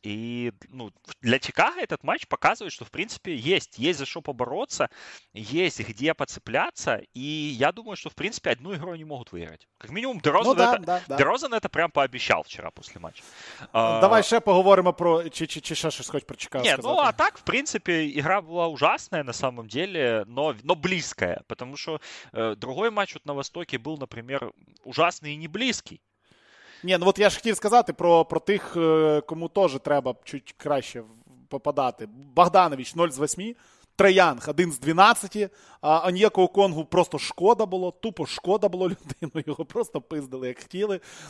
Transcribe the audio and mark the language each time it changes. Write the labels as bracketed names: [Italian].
[Ukrainian] І ну, для Чикаго цей матч показує, що в принципі є за що поборотися, є де поцеплятися. І я думаю, що в принципі одну ігру вони можуть виграти. Як мінімум, Дерозен це прям пообіцяв вчора після матчу. Давай ще поговоримо про чи ще щось хоч про Чикаго сказати. Ну а так, в принципі, ігра була [Russian] ужасна на самом деле, [Ukrainian] но близькая. [Russian] Потому что другой матч на Востоке был, например, ужасный и не близкий. [Ukrainian] Ні, ну от я ж хотів сказати про тих, кому теж треба чуть краще попадати. Богданович 0 з 8, Троянг 1 з 12, а Аньєко Оконгу просто шкода було, тупо шкода було людину, його просто пиздили, як хотіли.